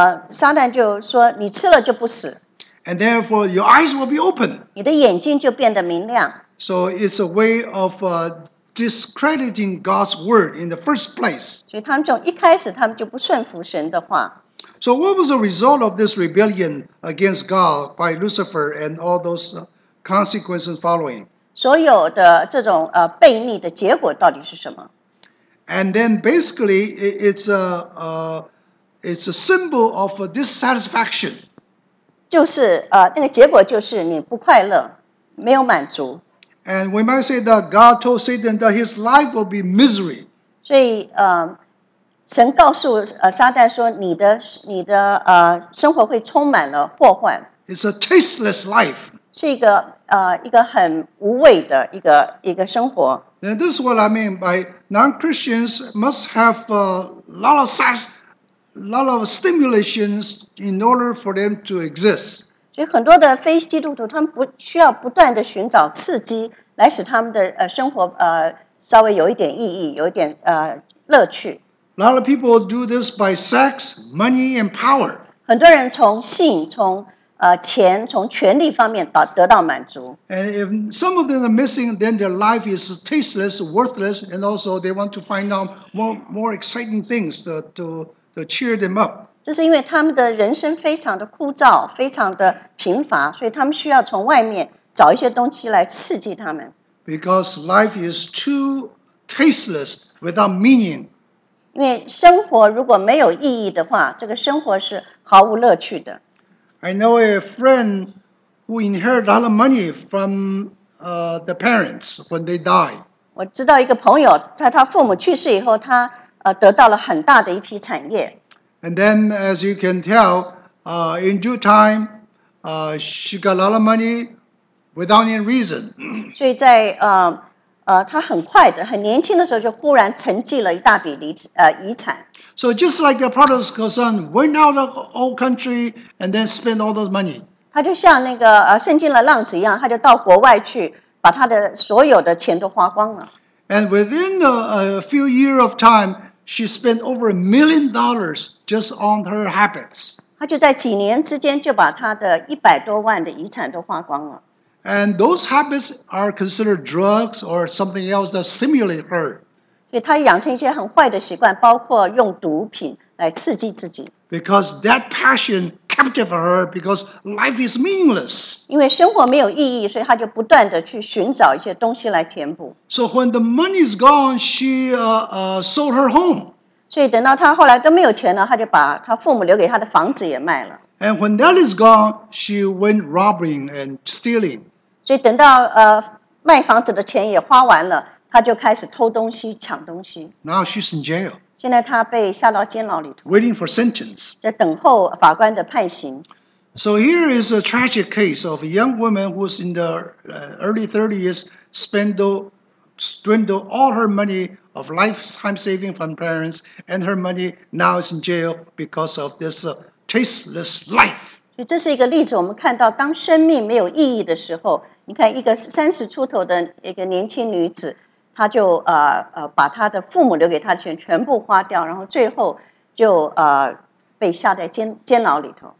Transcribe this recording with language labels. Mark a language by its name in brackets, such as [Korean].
[Chinese] 撒旦就说，你吃了就不死。 [English] And therefore, your eyes will be open. [Chinese] 你的眼睛就变得明亮。 [English] So it's a way of discrediting God's word in the first place. [Chinese] 所以他们就一开始他们就不顺服神的话。 [English] So what was the result of this rebellion against God by Lucifer and all those consequences following? [Chinese] 所有的这种悖逆的结果到底是什么？ [English] And then basically it's a symbol of a dissatisfaction. [Chinese] 就是那个结果就是你不快乐，没有满足。 [English] And we might say that God told Satan that his life will be misery. [Chinese] 所以，神告诉撒旦说，你的生活会充满了祸患。 [English] It's a tasteless life. [Chinese] 是一个很无味的一个生活。 [English] And this is what I mean by non-Christians must have a lot of stimulations in order for them to exist. [Chinese] 所以很多的非基督徒，他们不需要不断的寻找刺激，来使他们的生活稍微有一点意义，有一点乐趣。 [English] A lot of people do this by sex, money, and power. [Chinese] 很多人从性、从钱、从权力方面得到满足。 [English] And if some of them are missing, then their life is tasteless, worthless, and also they want to find out more exciting things to cheer them up. [Chinese] 这是因为他们的人生非常的枯燥，非常的贫乏，所以他们需要从外面找一些东西来刺激他们。 [English] Because life is too tasteless without meaning. [Chinese] 因为生活如果没有意义的话，这个生活是毫无乐趣的。 [English] I know a friend who inherited a lot of money from the parents when they died. [Chinese] 我知道一个朋友，在他父母去世以后，他得到了很大的一批产业。 [English] And then, as you can tell, in due time, she got a lot of money without any reason. [Chinese] 所以在他很快的，很年轻的时候就忽然沉寂了一大笔遗产。 [English] So just like the prodigal son went out of old country and then spent all those money. [Chinese] 他就像那个圣经的浪子一样，他就到国外去，把他的所有的钱都花光了。 [English] And within a few years of time, she spent over $1 million just on her habits. [Chinese] 他就在几年之间就把他的100多万的遗产都花光了。 [English] And those habits are considered drugs or something else that stimulate her. [Chinese] 所以他养成一些很坏的习惯，包括用毒品来刺激自己。 [English] Because that passion captivated her, because life is meaningless. [Chinese] 因为生活没有意义，所以他就不断的去寻找一些东西来填补。 [English] So when the money is gone, she sold her home. [Chinese] 所以等到他后来都没有钱了，他就把他父母留给他的房子也卖了。 [English] And when that is gone, she went robbing and stealing. [Chinese] 所以等到卖房子的钱也花完了，她就开始偷东西、抢东西。 [English] Now she's in jail. [Chinese] 现在她被下到监牢里头。 [English] Waiting for sentence. [Chinese] 在等候法官的判刑。 [English] So here is a tragic case of a young woman who's in the early 30s, spending all her money of lifetime saving from parents, and her money now is in jail because of this. Tasteless life. [Chinese] 这是一个例子，我们看到当生命没有意义的时候，你看一个三十出头的一个年轻女子，她就把她的父母留给她的钱全部花掉，然后最后就被下在监牢里头。